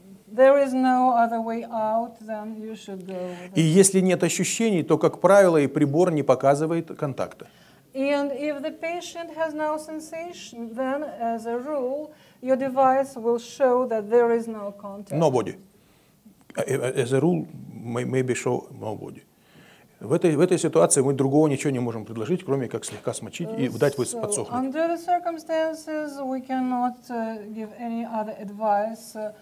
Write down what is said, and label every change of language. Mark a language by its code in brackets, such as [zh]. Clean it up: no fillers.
[en] There is no other way out, then you should go. [ru] И если нет ощущений, то, как правило, и прибор не показывает контакта. [en] And if the patient has no sensation, then, as a rule, your device will show that there is no contact. Nobody. As a rule, maybe show nobody. [ru] В этой ситуации мы другого ничего не можем предложить, кроме как слегка смочить и дать подсохнуть. [en] Under the circumstances, we cannot give any other advice.